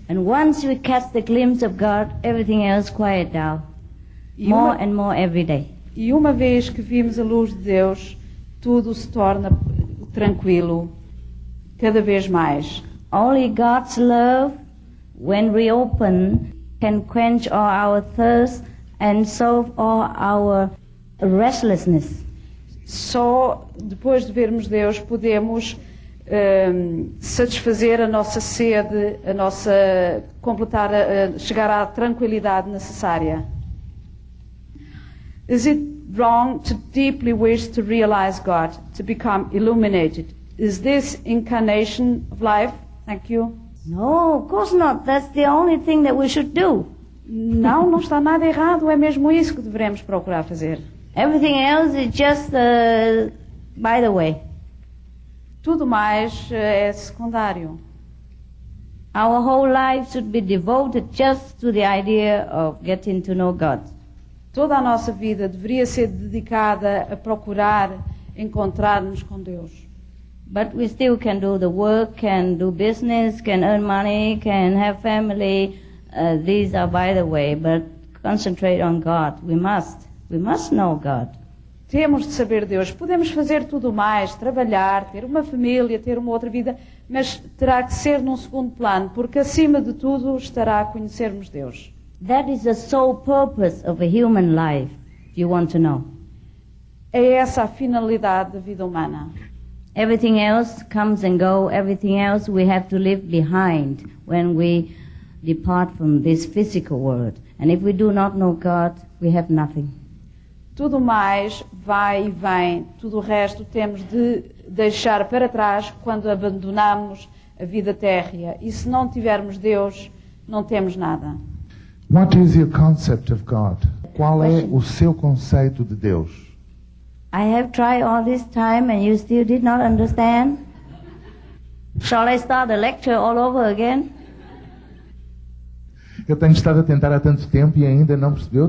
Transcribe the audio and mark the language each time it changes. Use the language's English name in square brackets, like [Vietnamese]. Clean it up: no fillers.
[English] And once we catch the glimpse of God, everything else quiet down. More and more every day. [Portuguese] E uma vez que vimos a luz de Deus, tudo se torna tranquilo, cada vez mais. [English] Only God's love, when we open, can quench all our thirst and solve all our restlessness. [Portuguese] Só depois de vermos Deus podemos satisfazer a nossa sede, a nossa completar, chegar à tranquilidade necessária. [English] Is it wrong to deeply wish to realize God, to become illuminated? Is this incarnation of life? Thank you. No, of course not. That's the only thing that we should do. [Portuguese] Não, não está nada errado. É mesmo isso que devemos procurar fazer. [English] Everything else is just by the way. [Portuguese] Tudo mais é secundário. [English] Our whole life should be devoted just to the idea of getting to know God. [Portuguese] Toda a nossa vida deveria ser dedicada a procurar encontrar-nos com Deus. [English] But we still can do the work, can do business, can earn money, can have family. These are by the way, but concentrate on God. We must know God. [Portuguese] Temos de saber Deus. Podemos fazer tudo mais, trabalhar, ter uma família, ter uma outra vida, mas terá que ser num segundo plano, porque acima de tudo estará a conhecermos Deus. [English] That is the sole purpose of a human life, if you want to know. [Portuguese] É essa a finalidade da vida humana. [English] Everything else comes and goes. Everything else we have to leave behind when we depart from this physical world. And if we do not know God, we have nothing. [Portuguese] Tudo mais vai e vem. Tudo o resto temos de deixar para trás quando abandonamos a vida terrena. E se não tivermos Deus, não temos nada. [English] What is your concept of God? [Portuguese] Qual é o seu conceito de Deus? [English] I have tried all this time and you still did not understand. Shall I start the lecture all over again? [Portuguese] Eu tenho estado a tentar há tanto tempo e ainda não percebeu.